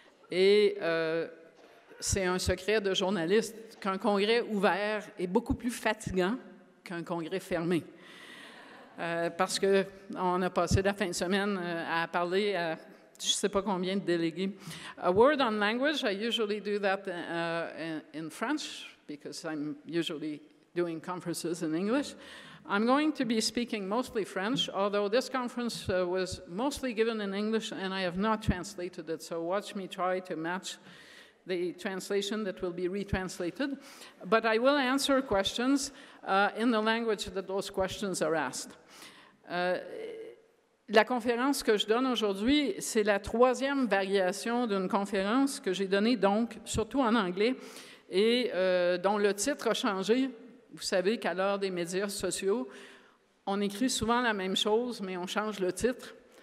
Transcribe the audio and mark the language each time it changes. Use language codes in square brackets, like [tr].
[fr] Et c'est un secret de journaliste qu'un congrès ouvert est beaucoup plus fatigant qu'un congrès fermé. Parce qu'on a passé la fin de semaine à parler à je ne sais pas combien de délégués. [en] A word on language, I usually do that in French, because I'm usually doing conferences in English. I'm going to be speaking mostly French, although this conference was mostly given in English and I have not translated it, so watch me try to match the translation that will be retranslated. But I will answer questions in the language that those questions are asked. [fr] La conférence que je donne aujourd'hui, c'est la troisième variation d'une conférence que j'ai donnée, donc, surtout en anglais, et dont le titre a changé. Vous savez qu'à l'heure des médias sociaux, on écrit souvent la même chose, mais on change le titre.